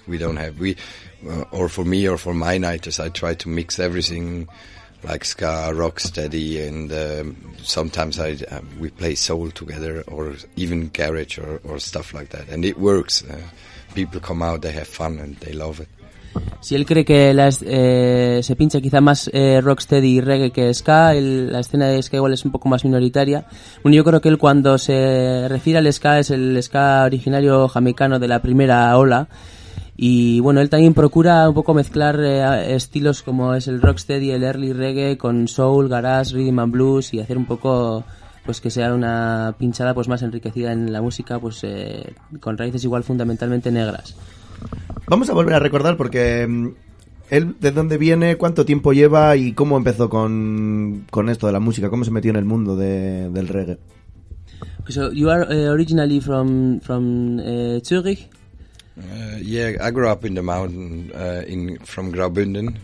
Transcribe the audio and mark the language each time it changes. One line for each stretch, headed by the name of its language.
English: We don't have for my nighters, I try to mix everything. Like ska, rock steady, and sometimes we play soul together, or even garage or stuff like that, and it works. People come out, they have fun, and they love it.
Spanish: Si él cree que se pincha quizá más rocksteady y reggae que ska, la escena de ska igual es un poco más minoritaria. Bueno, yo creo que él, cuando se refiere al ska, es el ska originario jamaicano de la primera ola. Y bueno, él también procura un poco mezclar estilos como es el rocksteady, el early reggae con soul, garage, rhythm and blues, y hacer un poco pues que sea una pinchada pues más enriquecida en la música, pues con raíces igual fundamentalmente negras. Vamos a volver a recordar, porque él, ¿de dónde viene, cuánto tiempo lleva y cómo empezó con esto de la música, cómo se metió en el mundo del reggae?
English: So you are originally from Zurich. I grew up in the mountain from Graubünden.